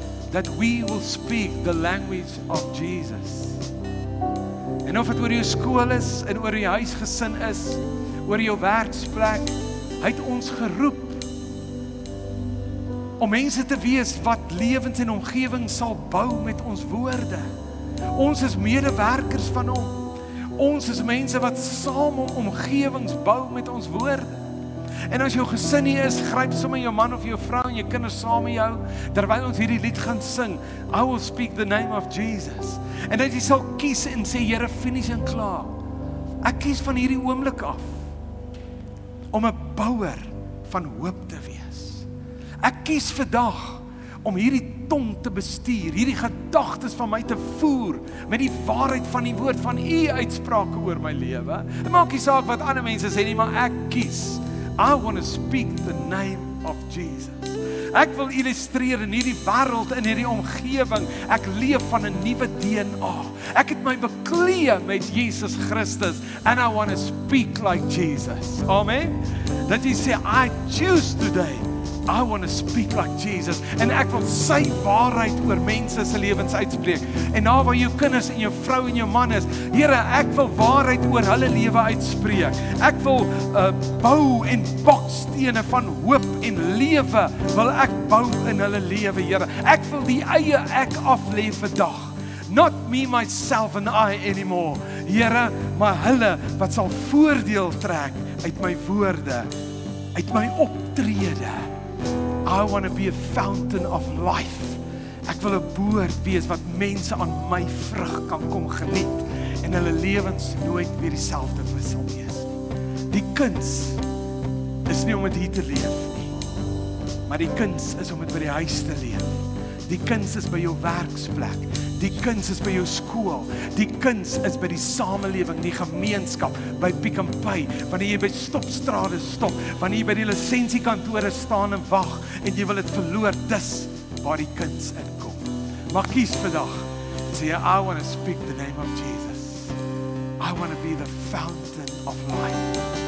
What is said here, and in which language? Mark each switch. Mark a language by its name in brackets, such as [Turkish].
[English] That we will speak the language of Jesus. [Afrikaans] En of dit oor jou skool is, en oor jou huisgesin is, oor jou werksplek, hy het ons geroep om mense te wees wat lewens en omgewing sal bou met ons woorde. Ons is medewerkers van hom. Ons is mense wat saam om omgewings bou met ons woorde. En as jou gesin nie is, gryp sommer jou man of jou vrou en jou kinders saam met jou terwyl ons hierdie lied gaan sing. [English] I will speak the name of Jesus. [Afrikaans] En dat jy sal kies en sê, Here, finis en klaar. Ek kies van hierdie oomblik af om 'n bouer van hoop te wees. Ek kies vandag om hierdie tong te bestuur, hierdie gedagtes van my te voer met die waarheid van die woord van u uitsprake oor my lewe. Dit maak nie saak wat ander mense sê nie, maar ek kies. [English] I want to speak the name of Jesus. [Afrikaans] Ek wil illustreer in hierdie wêreld, in hierdie omgewing, ek leef van 'n nuwe DNA. Ek het my bekleë met Jesus Christus [English] and I want to speak like Jesus. Amen. [Afrikaans] Dat jy sê, [English] I choose today. I want to speak like Jesus. [Afrikaans] En ek wil sy waarheid oor mense se lewens uitspreek. En na waar jou kinders en jou vrou en jou man is, Here, ek wil waarheid oor hulle lewe uitspreek. Ek wil bou en bakstene van hoop en lewe wil ek bou in hulle lewe, Here. Ek wil die eie ek af lê vandag. [English] Not me, myself and I anymore. [Afrikaans] Here, maar hulle wat sal voordeel trek uit my woorde, uit my optrede. [English] I want to be a fountain of life. [Afrikaans] Ek wil 'n boer wees wat mense aan my vrug kan kom geniet en hulle lewens nooit weer dieselfde sal wees. Die kuns is nie om dit hier te leef nie. Maar die kuns is om dit by die huis te leef. Die kuns is by jou werksplek. Die kuns is by jou skool. Die kuns is by die samelewing, die gemeenskap, by Pick n Pay, wanneer jy by stopstrade stop, wanneer jy by die lisensiekantore staan en wag en jy wil dit verloor, dis waar die kuns inkom. Maar kies vandag. [English] Sê, I want to speak the name of Jesus. I want to be the fountain of life.